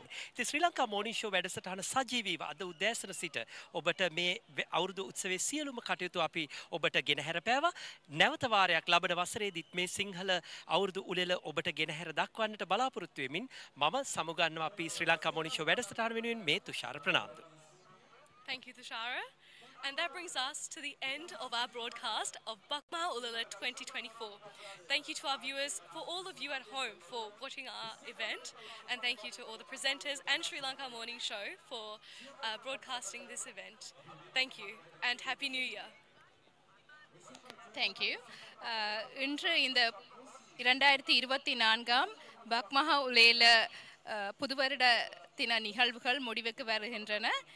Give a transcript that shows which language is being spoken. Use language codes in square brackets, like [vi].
[si] ඉතින් ශ්‍රී ලංකා මෝර්නින් ෂෝ වැඩසටහන සජීවීව අද උදෑසන සිට ඔබට මේ අවුරුදු උත්සවයේ සියලුම කටයුතු අපි ඔබට ගෙනහැරපෑවා. නැවත වාරයක් ලබන වසරේදීත් මේ සිංහල අවුරුදු උළෙල ඔබට ගෙනහැර දක්වන්නට බලාපොරොත්තු වෙමින් මම සමුගන්නවා අපි ශ්‍රී ලංකා මෝර්නින් ෂෝ වැඩසටහන වෙනුවෙන් මේ Thushara Fernando. [en] Thank you, Tushara. And that brings us to the end of our broadcast of Bakma Ulala 2024. Thank you to our viewers, for all of you at home for watching our event. And thank you to all the presenters and Sri Lanka Morning Show for broadcasting this event. Thank you and Happy New Year. Thank you. [ta] இன்று இந்த 2024 பக்மஹா உலேல புதுவருட தின நிகழ்வுகள் முடிவுக்கு வருகின்றன.